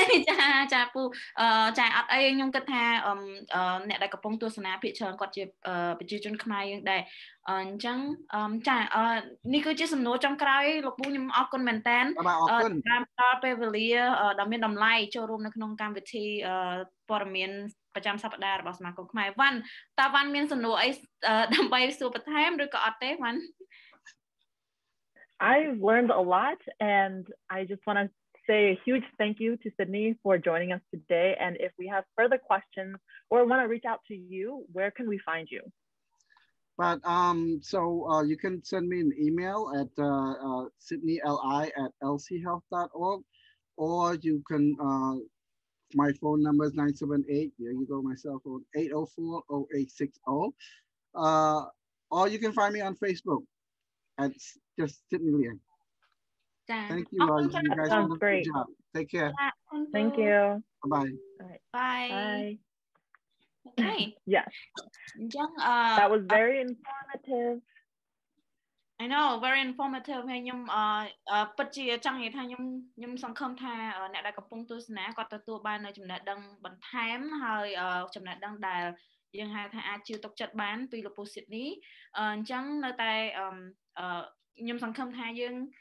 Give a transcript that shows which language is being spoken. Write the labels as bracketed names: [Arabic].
[Khmer] ចាចាពូចាអត់អីខ្ញុំគិតថាអ្នកដែលកំពុងទស្សនាភាគច្រើនគាត់ជាប្រជាជនខ្មែរយើងដែរអញ្ចឹងចានេះគឺជាសំណួរចុងក្រោយលោកពូខ្ញុំអរគុណមែនតើបាទអរគុណ តាមតពេលវេលាដែលមានតម្លៃចូលរួមនៅក្នុងកម្មវិធីព័ត៌មានប្រចាំសប្តាហ៍របស់សមាគមខ្មែរវ៉ាន់តើវ៉ាន់មានសំណួរអីដើម្បីសួរបន្ថែមឬក៏អត់ទេវ៉ាន់ [English] I've learned a lot and I just want to say a huge thank you to Sidney for joining us today and if we have further questions or want to reach out to you where can we find you But you can send me an email at sidneyli@lchealth.org or you can my phone number is 978 here you go my cell phone 804-0860 or you can find me on Facebook at just Sidney Liang thank you all you guys have a great job take care thank you bye bye bye bye okay yes young that was very informative I know very informative [Khmer] ហើយខ្ញុំពិតជាចង់និយាយថាខ្ញុំសង្ឃឹមថាអ្នកដែលកំពុងទស្សនាគាត់ទទួលបាននូវចំណេះដឹងបន្ថែមហើយចំណេះដឹងដែលយើងហៅថាអាចជឿទុកចិត្តបានពីលោកពូស៊ីដនីអញ្ចឹងនៅតែខ្ញុំសង្ឃឹមថាយើង